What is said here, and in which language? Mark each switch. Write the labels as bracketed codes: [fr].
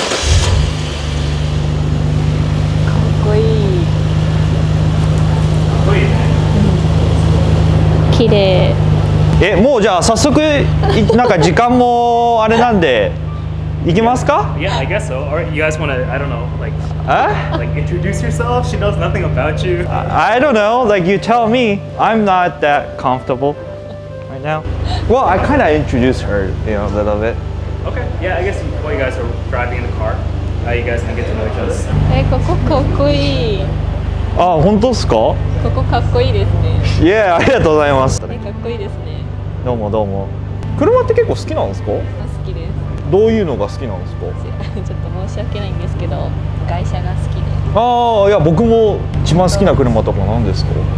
[ja] かっこいい。かっこいいね。綺麗。え、もうじゃあ早速なんか時間もあれなんで行きますか？ [en] Yeah, I guess so. Or you guys want to, I don't know, like introduce yourself? She knows nothing about you. I don't know, like you tell me. I'm not that comfortable right now. Well, I kind of introduce her, you know, a little bit. Okay, yeah, I guess while you guys are driving in the car, you guys can get to know each other. [ja] え、ここかっこいい。あ、本当ですか？ここかっこいいですね。 Yeah, ありがとうございます。かっこいいですね。どうもどうも。車って結構好きなんですか？どういうのが好きなんですか？ちょっと申し訳ないんですけど、外車が好きで。ああ、いや僕も一番好きな車とか何ですか？